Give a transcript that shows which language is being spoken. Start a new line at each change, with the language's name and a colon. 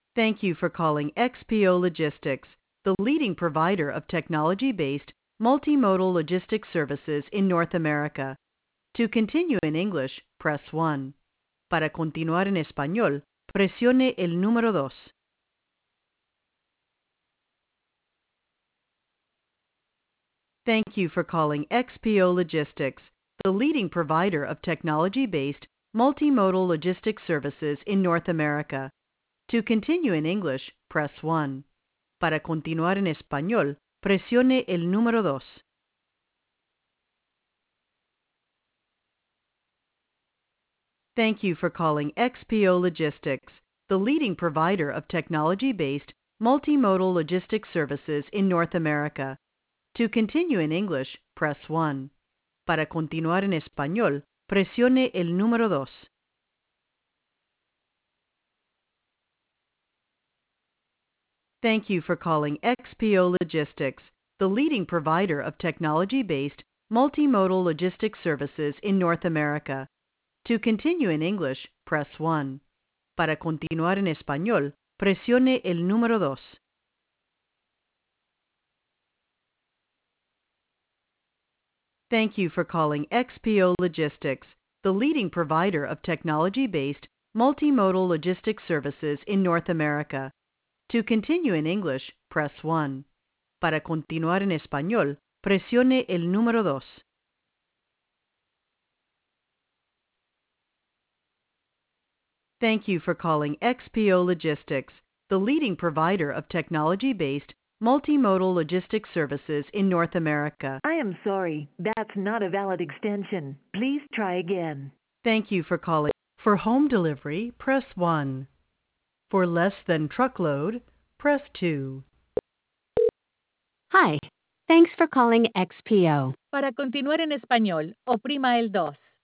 English: Thank you for calling XPO Logistics, the leading provider of technology-based multimodal logistics services in North America. To continue in English, press 1.
Spanish: Para continuar en español, presione el número 2.
English: Thank you for calling XPO Logistics, the leading provider of technology-based multimodal logistics services in North America. To continue in English, press 1.
Spanish: Para continuar en español, presione el número 2.
English: Thank you for calling XPO Logistics, the leading provider of technology-based multimodal logistics services in North America. To continue in English, press 1.
Spanish: Para continuar en español, presione el número 2.
English: Thank you for calling XPO Logistics, the leading provider of technology-based multimodal logistics services in North America. To continue in English, press 1.
Spanish: Para continuar en español, presione el número 2.
English: Thank you for calling XPO Logistics, the leading provider of technology-based multimodal logistics services in North America. To continue in English, press 1.
Spanish: Para continuar en español, presione el número 2.
English: Thank you for calling XPO Logistics, the leading provider of technology-based multimodal logistics services in North America. I am sorry, that's not a valid extension. Please try again. Thank you for calling. For home delivery, press 1. For less than truckload, press 2. Hi, thanks for calling XPO.
Spanish: Para continuar en español, oprima el 2.